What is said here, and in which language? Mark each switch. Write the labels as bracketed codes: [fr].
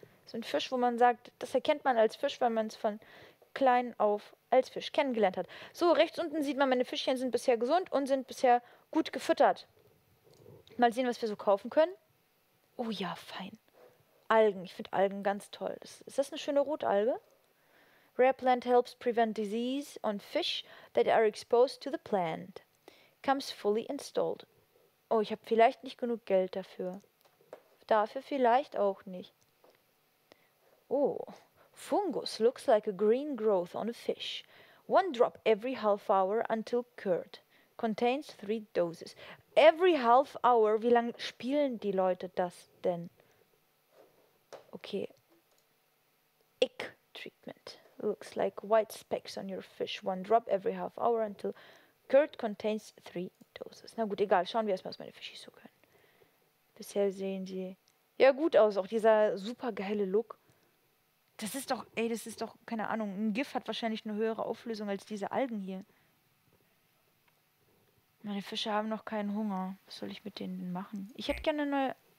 [de] So ein Fisch, wo man sagt, das erkennt man als Fisch, weil man es von klein auf als Fisch kennengelernt hat. So, rechts unten sieht man, meine Fischchen sind bisher gesund und sind bisher gut gefüttert. Mal sehen, was wir so kaufen können. Oh ja, fein. Algen. Ich finde Algen ganz toll. Ist das eine schöne Rotalge? [en] Rare plant helps prevent disease on fish that are exposed to the plant. Comes fully installed. [de] Oh, ich habe vielleicht nicht genug Geld dafür. Dafür vielleicht auch nicht. [en] Oh, Fungus looks like a green growth on a fish. One drop every half hour until cured. Contains 3 doses. Every half hour, [de] wie lange spielen die Leute das denn? [en] Okay. Ick Treatment. Looks like white specks on your fish. One drop every half hour until cured contains 3 doses. [de] Na gut, egal. Schauen wir erstmal, was meine Fischis so können. Bisher sehen sie ja gut aus. Auch dieser super geile Look. Das ist doch, ey, das ist doch, keine Ahnung. Ein GIF hat wahrscheinlich eine höhere Auflösung als diese Algen hier. Meine Fische haben noch keinen Hunger. Was soll ich mit denen denn machen? Ich hätte gerne eine neue.